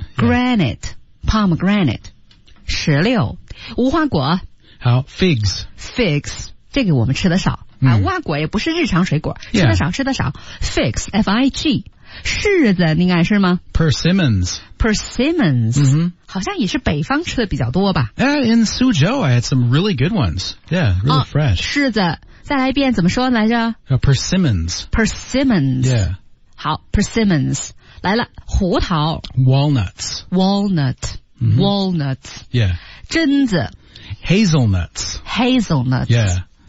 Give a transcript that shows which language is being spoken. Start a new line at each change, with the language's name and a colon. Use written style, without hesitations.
Chinese: Granite. Pomegranate. 石榴。无花果。
English: 好 ,figs.
Chinese: Figs. 这个我们吃的少。啊，无花果也不是日常水果，吃得少，吃得少。 Fig, F-I-G, 柿子，你敢吃吗
English: ？Persimmons, persimmons,、 mm-hmm.
Chinese: 好像也是北方吃的比较多吧
English: ？In Suzhou, I had some really good ones. Yeah, really fresh.、
Chinese: 柿子，再来一遍，怎么说来着
English: ？Persimmons, persimmons. Yeah,
Chinese: 好 ，persimmons 来了，胡桃。
English: Walnuts, walnut,、 mm-hmm. walnuts. Yeah,
Chinese: 榛子。
English: Hazelnuts, hazelnuts. Yeah.